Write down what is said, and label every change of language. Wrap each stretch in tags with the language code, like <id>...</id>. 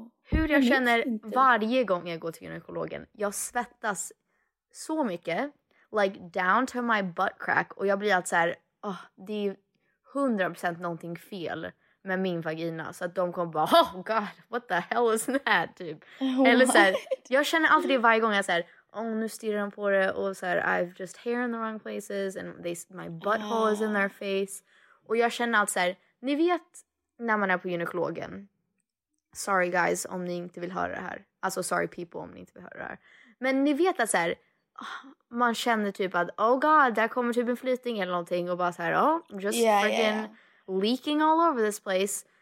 <sv>Jag känner inte varje gång jag går till gynekologen. Jag svettas så mycket.</sv> <en>Like down to my butt crack.</en> <sv>Och jag blir alltså såhär, det är 100% någonting fel med min vagina. Så att de kommer bara,</sv> <en>oh god, what the hell is that,</en> <sv>typ. Oh, eller såhär, jag känner alltid det varje gång jag såhär, nu stirrar de på det. Och såhär,</sv> <en>I've just hair in the wrong places. And my butthole is in their face.</en> <sv>Och jag känner alltså såhär, ni vet när man är på gynekologen.</sv> <en>Sorry guys,</en> <sv>om ni inte vill höra det här. Alltså</sv> <en>sorry people</en> <sv>om ni inte vill höra det här. Men ni vet att såhär, man känner typ att, oh god, där kommer typ en flytning eller någonting. Och bara så här,</sv> <en>leaking all over this place.</en>